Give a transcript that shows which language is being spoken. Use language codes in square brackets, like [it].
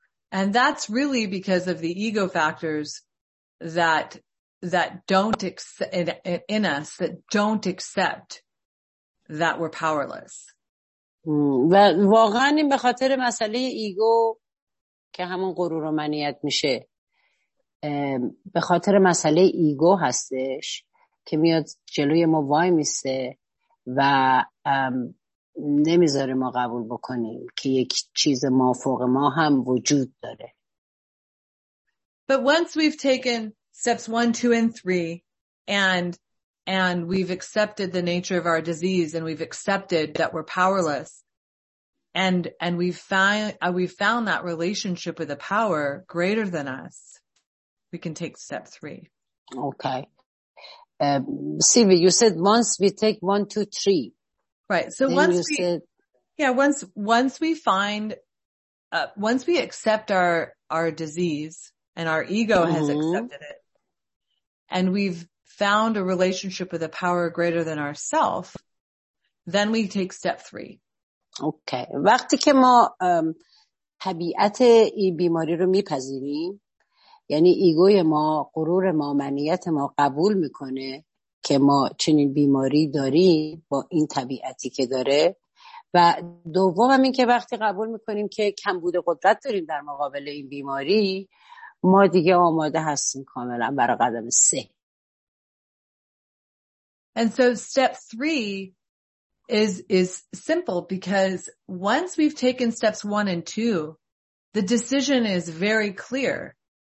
[en] And that's really because of the ego factors that don't in us, that don't accept that we're powerless. [fa] و واقعا این به خاطر مسئله ایگو که همون غرور و منیت میشه، به خاطر مسئله ایگو هستش که میاد جلوی ما وای میسه و نمیذاره ما قبول بکنیم که یک چیز ما فوق ما هم وجود داره. [en] But once we've taken steps 1, 2, and 3 and we've accepted the nature of our disease and we've accepted that we're powerless and we found that relationship with a power greater than us, we can take step 3. Okay. Sylvie, you said once we take 1, 2, 3. Right. So once we accept our disease and our ego mm-hmm. has accepted it and we've found a relationship with a power greater than ourself, then we take step 3. Okay. [fa] وقتی که ما طبیعت این بیماری رو میپذیریم، یعنی ایگوی ما، غرور ما، منیت ما قبول میکنه که ما چنین بیماری داریم با این طبیعتی که داره، و دوم هم این که وقتی قبول میکنیم که کمبود قدرت داریم در مقابل این بیماری، ما دیگه آماده هستیم کاملا برای قدم 3. [en] And so step 3 is simple, because once we've taken steps 1 and 2, the decision is very clear.